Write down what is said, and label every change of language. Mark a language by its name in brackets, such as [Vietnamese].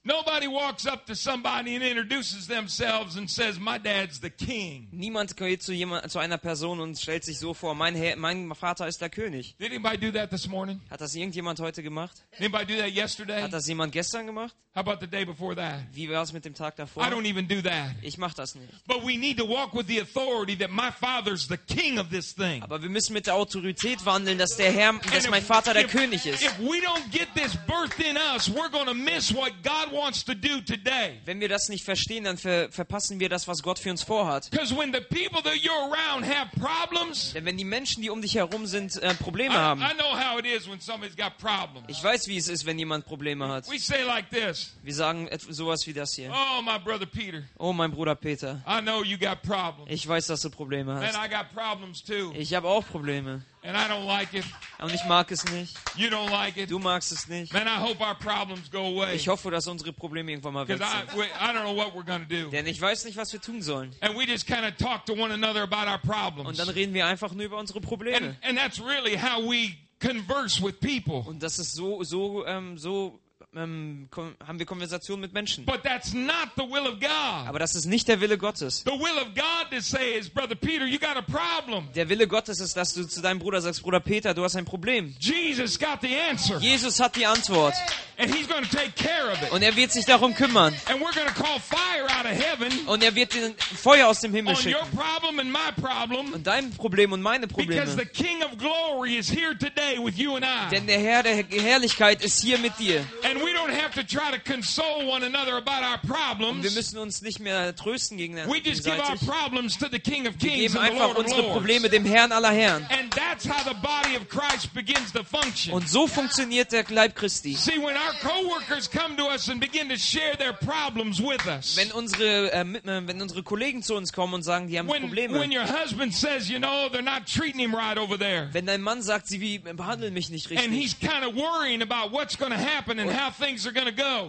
[English] Nobody walks up to somebody and introduces themselves and says, "My dad's the king." [German] Niemand geht zu einer Person und stellt sich so vor: Mein Vater ist der König. [English] Did anybody do that this morning? [German] Hat das irgendjemand heute gemacht? [English] Did anybody do that yesterday? [German] Hat das jemand gestern gemacht? [English] How about the day before that? [German] Wie war es mit dem Tag davor? [English] I don't even do that. [German] Ich mache das nicht. [English] But we need to walk with the authority that my father's the king of this thing. [German] Aber wir müssen mit der Autorität wandeln, dass der Herr, dass mein Vater der König ist. [English] We don't get this birth in us, we're going to miss what God wants to do today. [German] Wenn wir das nicht verstehen, dann verpassen wir das, was Gott für uns vorhat. [English] Because when the people that you're around have problems, [German] denn wenn die Menschen, die um dich herum sind, Probleme haben. [English] I know how it is when somebody's got problems. [German] Ich weiß, wie es ist, wenn jemand Probleme hat. [English] We say like this. [German] Wir sagen sowas wie das hier. [English] Oh, my brother Peter. [German] Oh, mein Bruder Peter. [English] I know you got problems. [German] Ich weiß, dass du Probleme hast. [English] And I got problems too. [German] Ich habe auch Probleme. [English] And I don't like it. [German] Und ich mag es nicht. [English] You don't like it. like it. [German] Du magst es nicht. [English] Man, I hope our problems go away. [German] Ich hoffe, dass unsere Probleme irgendwann mal weg sind. [English] I don't know what we're gonna do. [German] Denn ich weiß nicht, was wir tun sollen. [English] And we just kind of talk to one another about our problems. [German] Und dann reden wir einfach nur über unsere Probleme. [English] And that's really how we converse with people. [German] Und das ist so haben wir Konversationen mit Menschen. [English] But that's not the will of God. [German] Aber das ist nicht der Wille Gottes. [English] The will of God to say is, Brother Peter, you got a problem. [German] Der Wille Gottes ist, dass du zu deinem Bruder sagst, Bruder Peter, du hast ein Problem. [English] Jesus got the answer. [German] Jesus hat die Antwort. [English] And he's going to take care of it. [German] Und er wird sich darum kümmern. [English] And we're going to call fire out of heaven. [German] Und er wird den Feuer aus dem Himmel [English] on [German] schicken. [English] Your problem and my problem. [German] Und dein Problem und meine Probleme. [English] Because the King of Glory is here today with you and I. [German] Denn der Herr der Herrlichkeit ist hier mit dir. [English] And we don't have to try to console one another about our problems. [German] Und wir müssen uns nicht mehr trösten gegeneinander. [English] We just give our problems to the King of Kings and the Lord of Lords. [German] Wir geben unsere Probleme dem Herrn aller Herren. [English] And that's how the body of Christ begins to function. [German] Und so funktioniert der Leib Christi. [English] See, when our coworkers come to us and begin to share their problems with us. [German] Wenn unsere Kollegen zu uns kommen und sagen, die haben Probleme. [English] When your husband says, you know, they're not treating him right over there. [German] Wenn dein Mann sagt, sie behandeln mich nicht richtig. [English] And he's kind of worrying about what's going to happen and how things are going to go.